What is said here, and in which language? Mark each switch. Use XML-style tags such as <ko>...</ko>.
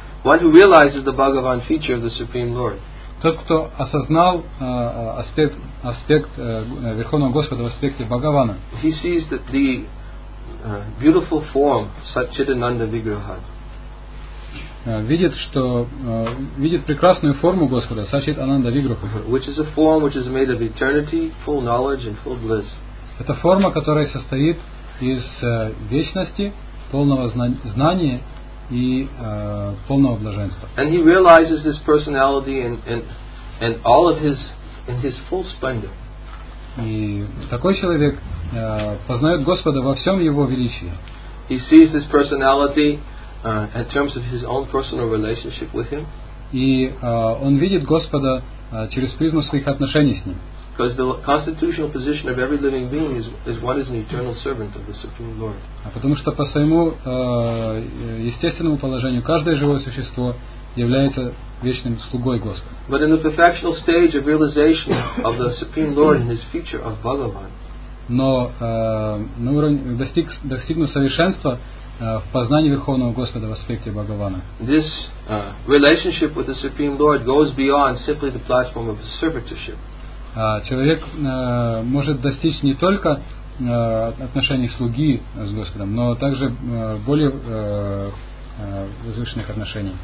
<en>One who realizes the Bhagavan feature of the Supreme Lord.</en> <ru>Тот, кто осознал аспект Верховного Господа в аспекте Бхагавана.</ru> <en>He sees the beautiful form Satchidananda Vigraha.</en> <ru>Видит, что видит прекрасную форму Господа, Сачит Ананда Виграха.</ru> <en>Which is a form which is made of eternity, full knowledge and full bliss.</en> <ru>Это форма, которая состоит из вечности, полного знания и полного блаженства.</ru> <en>And he realizes this personality and all of his full splendor.</en> <ru>И такой человек познает Господа во всем его величии.</ru> <en>He sees this personality in terms of his own personal relationship with him.</en> <ru>И он видит Господа через призму своих отношений с ним.</ru> <en>Because the constitutional position of every living being is one is an eternal servant of the Supreme Lord.</en> <ru>Потому что по своему естественному положению каждое живое существо является вечным слугой Господа.</ru> <en>But in the perfectional stage of realization of the Supreme Lord and his feature of Bhagavan.</en> <ru>Но на уровне достигнув совершенства в познании Верховного Господа в аспекте Бхагавана.</ru> <en>This relationship with the Supreme Lord goes beyond simply the platform of servitorship.</en> <ru>Человек может достичь не только отношений слуги с Господом, но также более возвышенных отношений.</ru>